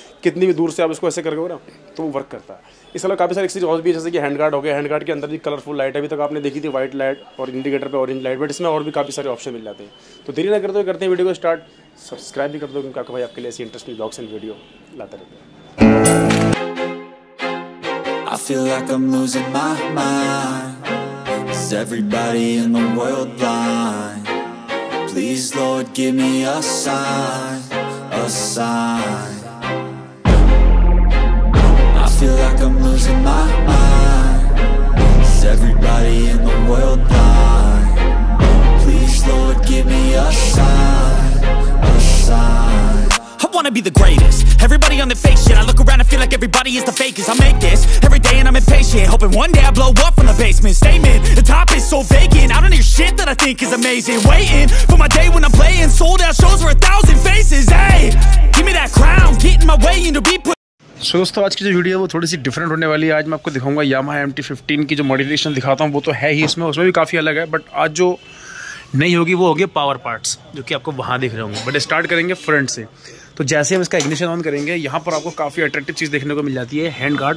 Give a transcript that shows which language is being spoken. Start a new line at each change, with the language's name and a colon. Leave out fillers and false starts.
Hindi: कितनी भी दूर से आप इसको ऐसे करके हो ना तो वो वर्क करता है। इस अलावा काफ़ी सारी चीज़ और भी, जैसे कि हैंड गार्ड हो गया, हैंड गार्ड के अंदर भी कलरफुल लाइट अभी तक आपने देखी थी व्हाइट लाइट और इंडिकेटर पर ऑरेंज लाइट, बट इसमें और भी काफ़ी सारे ऑप्शन मिल जाते हैं। तो देरी ना करते हुए करते हैं वीडियो को स्टार्ट। सब्सक्राइब भी कर दो क्योंकि आपको भाई आपके लिए ऐसी इंटरेस्टिंग ब्लॉग्स एंड वीडियो लाते रहते हैं।
English: I feel like I'm losing my mind. Is everybody in the world blind? Please, Lord, give me a sign, a sign. I feel like I'm losing my mind. Is everybody in the world blind? Please, Lord, give me a sign, a sign. I wanna be the greatest. Everybody on their fake shit, I look around and feel like everybody is the fakest. I make this every day and I'm impatient, hoping one day I blow up from the basement. Statement, the top is so vacant, I don't hear shit that I think is amazing. Waiting for my day when I'm playing sold out shows for 1,000 faces. Hey, give me that crown, get in my way and to be put.
Hindi: So दोस्तों, आज की जो video है वो थोड़ी सी different होने वाली है। आज मैं आपको दिखाऊंगा यामाहा MT-15 की जो मॉडिफिकेशन दिखाता हूं, वो तो है ही इसमें, उसमें भी काफी अलग है, बट आज जो नहीं होगी वो होगी पावर पार्ट्स, जो कि आपको वहां दिख रहे होंगे। बट स्टार्ट करेंगे फ्रंट से। तो जैसे हम इसका इग्निशन ऑन करेंगे, यहाँ पर आपको काफ़ी अट्रैक्टिव चीज़ देखने को मिल जाती है, हैंड गार्ड।